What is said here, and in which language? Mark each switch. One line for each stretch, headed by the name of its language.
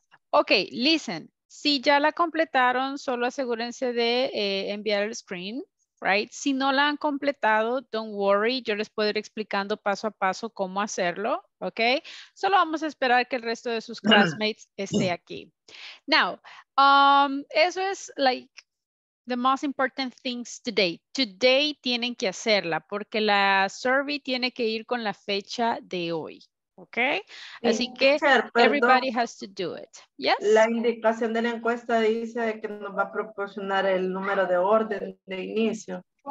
English: Ok, listen.
Spanish: Si ya la completaron, solo asegúrense de enviar el screen,
English: right?
Spanish: Si no la han completado,
English: don't worry,
Spanish: yo les puedo ir explicando paso a paso cómo hacerlo, ¿ok? Solo vamos a esperar que el resto de sus classmates esté aquí.
English: Now,
Spanish: eso es
English: like the most important things today. Today
Spanish: tienen que hacerla porque la survey tiene que ir con la fecha de hoy.
English: Okay,
Spanish: así que
English: everybody has to do it. Yes.
Spanish: La indicación de la encuesta dice que nos va a proporcionar el número de orden de inicio.